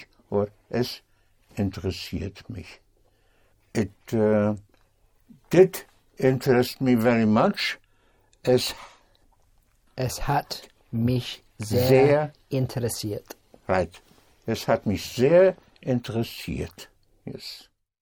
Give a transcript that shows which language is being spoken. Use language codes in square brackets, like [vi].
[de] Or es interessiert mich. [en] It did interest me very much. [de] Es hat mich sehr interessiert. Right. Es hat mich sehr interessiert. Yes.